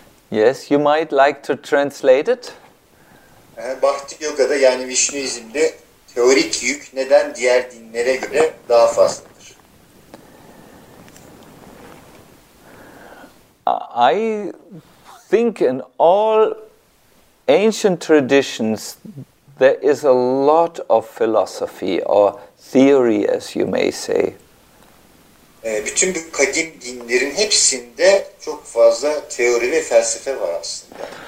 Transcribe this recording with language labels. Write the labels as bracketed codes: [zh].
[en] Yes, you might like to translate it. [tr] Bhakti Yoga'da yani Vişnuizm'de teorik yük neden diğer dinlere göre daha fazladır? [en] I think in all ancient traditions there is a lot of philosophy or theory, as you may say. [tr] Bütün bu kadim dinlerin hepsinde çok fazla teori ve felsefe var aslında.